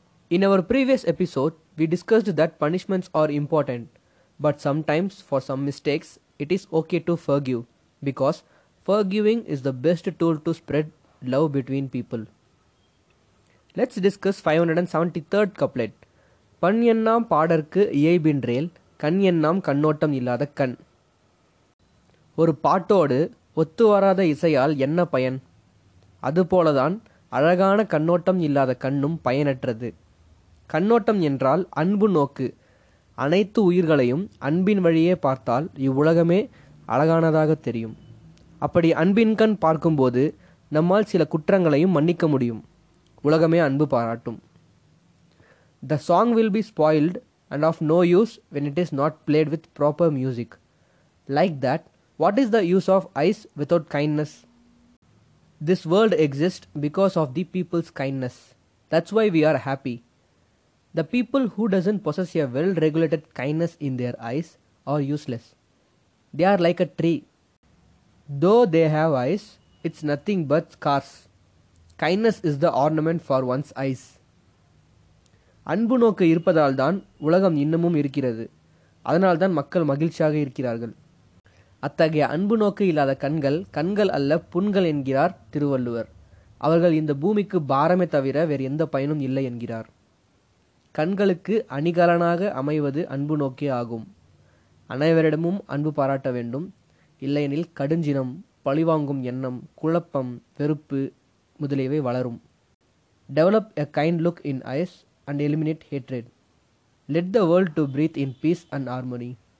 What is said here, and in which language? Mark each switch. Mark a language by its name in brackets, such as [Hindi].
[English] In our previous episode, we discussed that punishments are important, but sometimes for some mistakes, it is okay to forgive, because forgiving is the best tool to spread love between people. Let's discuss 573rd couplet. [Tamil] Pan ennam paadarku iyaibindrel, கண் எண்ணாம் கண்ணோட்டம் இல்லாத கண். ஒரு பாட்டோடு ஒத்து வராத இசையால் என்ன பயன்? அதுபோலதான் அழகான கண்ணோட்டம் இல்லாத கண்ணும் பயனற்றது. கண்ணோட்டம் என்றால் அன்பு நோக்கு. அனைத்து உயிர்களையும் அன்பின் வழியே பார்த்தால் இவ்வுலகமே அழகானதாக தெரியும். அப்படி அன்பின் கண் பார்க்கும்போது நம்மால் சில குற்றங்களையும் மன்னிக்க முடியும். உலகமே அன்பு பாராட்டும். [English] The song will be spoiled and of no use when it is not played with proper music. Like that, what is the use of eyes without kindness? This world exists because of the people's kindness. That's why we are happy. The people who doesn't possess a well-regulated kindness in their eyes are useless. They are like a tree. Though they have eyes, it's nothing but scars. Kindness is the ornament for one's eyes. [Tamil] அன்பு நோக்கு இருப்பதால்தான் உலகம் இன்னமும் இருக்கிறது. அதனால்தான் மக்கள் மகிழ்ச்சியாக இருக்கிறார்கள். அத்தகைய அன்பு நோக்கு இல்லாத கண்கள் கண்கள் அல்ல, புண்கள் என்கிறார் திருவள்ளுவர். அவர்கள் இந்த பூமிக்கு பாரமே தவிர வேறு எந்த பயனும் இல்லை என்கிறார். கண்களுக்கு அணிகலனாக அமைவது அன்பு நோக்கே ஆகும். அனைவரிடமும் அன்பு பாராட்ட வேண்டும். இல்லையெனில் கடுஞ்சினம், பழிவாங்கும் எண்ணம், குழப்பம், வெறுப்பு முதலியவை வளரும். [English] Develop a kind look in eyes and eliminate hatred. Let the world to breathe in peace and harmony.